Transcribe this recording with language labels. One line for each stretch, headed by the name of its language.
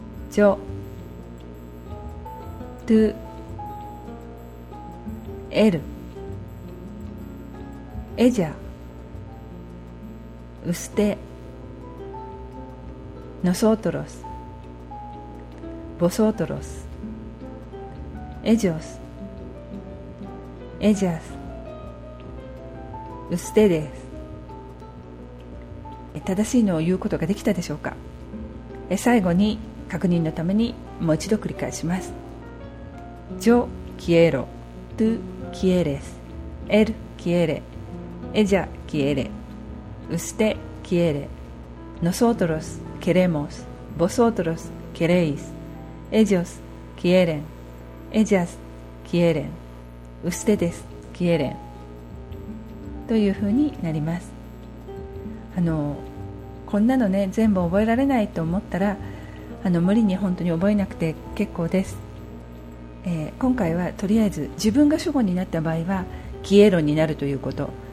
Spanish: ジョ、トゥ、エル、エジャ、ウステ、Nosotros, vosotros, ellos, ellas, ustedes.
Japanese: 正しいのを言うことができたでしょうか。最後に確認のためにもう一度繰り返します。
Spanish: Yo quiero, tú quieres, él quiere, ella quiere, usted quiere, nosotros. Queremos, vosotros queréis, ellos quieren, ellas quieren, ustedes quieren.
Japanese: というふうになります。こんなのね、全部覚えられないと思ったら、無理に本当に覚えなくて結構です。今回はとりあえず自分が主語になった場合は、quiero になるということ。